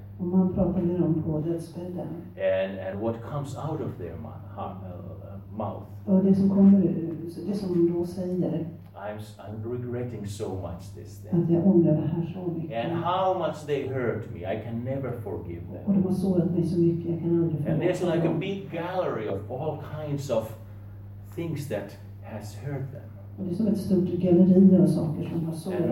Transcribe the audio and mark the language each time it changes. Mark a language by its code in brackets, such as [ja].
[sv] Och man pratar med dem på dödsbädden. [en] And what comes out of their mouth. [sv] Och det som kommer ut, det som de säger. [en] I'm regretting so much this thing. [sv] Att jag ångrar det här så mycket. [en] And how much they hurt me. I can never forgive them. [sv] Och de har sårat mig så mycket. Jag kan aldrig förlåta [en] dem. And there's like a big gallery of all kinds of things that has hurt them. [sv] Och det är som ett stort galleri av saker som har sårat dem.